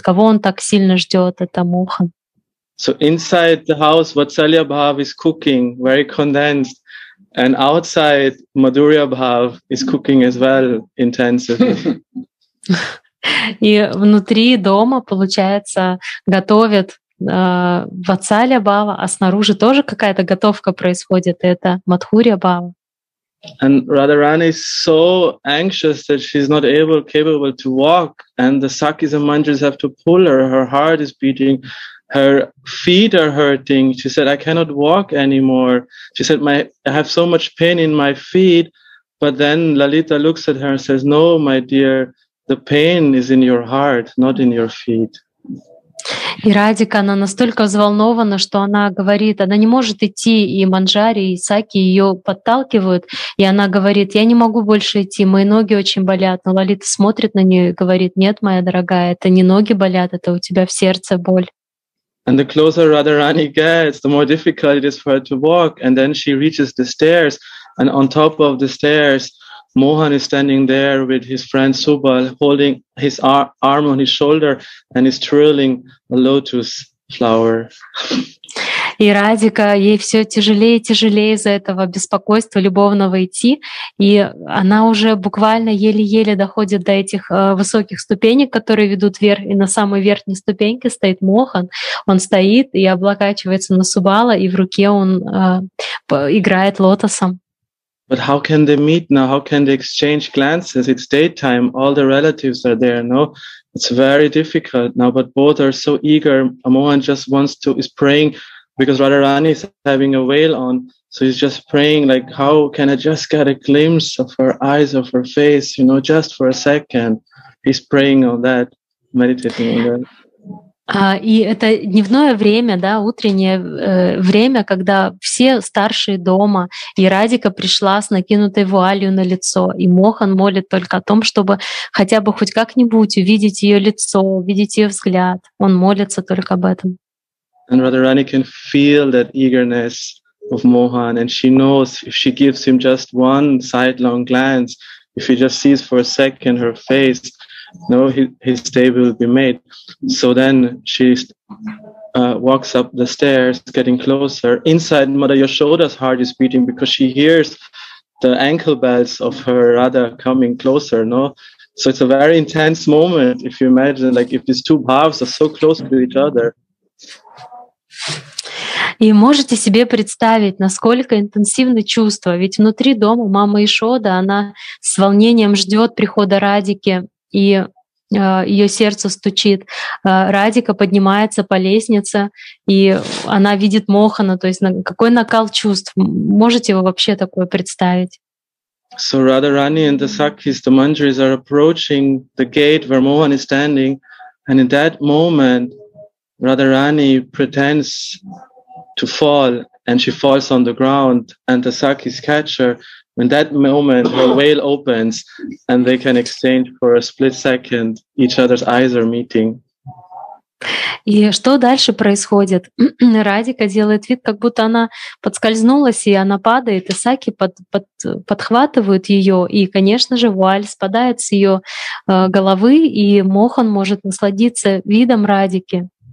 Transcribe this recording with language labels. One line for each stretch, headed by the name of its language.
Russian: Кого он так сильно ждет? Это Мохан.
English: So inside the house, Vatsalya Bhav is cooking, very condensed. And outside, Madhurya Bhav is cooking as well, intensively.
Russian: И внутри дома, получается, готовят Vatsalya Bhav, а снаружи тоже какая-то готовка происходит, это Madhurya Bhav.
English: And Radharani is so anxious that she's not capable to walk, and the Sakis and Manjaris have to pull her, her heart is beating. Her feet are hurting. She said, I cannot walk anymore. She said, I have so much pain in my feet. But then Lalita looks at her and says, no, my dear, the pain is in your heart, not in your feet.
Russian: И Радика, она настолько взволнована, что она говорит, она не может идти, и Манджари, и Саки ее подталкивают, и она говорит, я не могу больше идти, мои ноги очень болят. Но Лалита смотрит на нее и говорит, нет, моя дорогая, это не ноги болят, это у тебя в сердце боль.
English: And the closer Radharani gets, the more difficult it is for her to walk. And then she reaches the stairs. And on top of the stairs, Mohan is standing there with his friend Subal, holding his arm on his shoulder and is twirling a lotus flower.
Russian: И Радика, ей все тяжелее и тяжелее из-за этого беспокойства любовного идти. И она уже буквально еле-еле доходит до этих высоких ступенек, которые ведут вверх. И на самой верхней ступеньке стоит Мохан. Он стоит и облокачивается на Субала, и в руке он играет лотосом.
English: But how can they meet now? How can they exchange glances? It's daytime. All the relatives are there, no? It's very difficult now, but both are so eager. Mohan just wants to, is praying because Radharani is having a veil on. So he's just praying like, how can I just get a glimpse of her eyes, of her face, you know, just for a second. He's praying on that, meditating on that.
Russian: И это дневное время, да, утреннее время, когда все старшие дома, и Радика пришла с накинутой вуалью на лицо, и Мохан молит только о том, чтобы хотя бы хоть как-нибудь увидеть ее лицо, увидеть ее взгляд. Он молится только об этом.
English: And Radharani can feel that eagerness of Mohan, and she knows if she gives him just one sidelong glance, if he just sees for a second her face, no, his day will be made. So then she walks up the stairs, getting closer. Inside, Mother Yashoda's heart is beating because she hears the ankle bells of her Radha coming closer. No, so it's a very intense moment. If you imagine, like if these two bhavs are so close to each other.
Russian: И можете себе представить, насколько интенсивны чувства. Ведь внутри дома мама Ишода, она с волнением ждет прихода Радики. И ее сердце стучит. Радика поднимается по лестнице, и она видит Мохана. То есть какой накал чувств? Можете вы вообще такое представить?
English: So Radharani and the Sakhis, the Manjaris, are approaching the gate where Mohan is standing, and in that moment Radharani pretends to fall, and she falls on the ground, and the Sakhis catch her. In that moment, the veil opens, and they can exchange for a split second. Each other's eyes are meeting.
Russian: И что дальше происходит? Радика делает вид, как будто она подскользнулась, и она падает, и Саки подхватывают ее, и, конечно же, вуаль спадает с ее головы, и Мохан может насладиться видом Радики.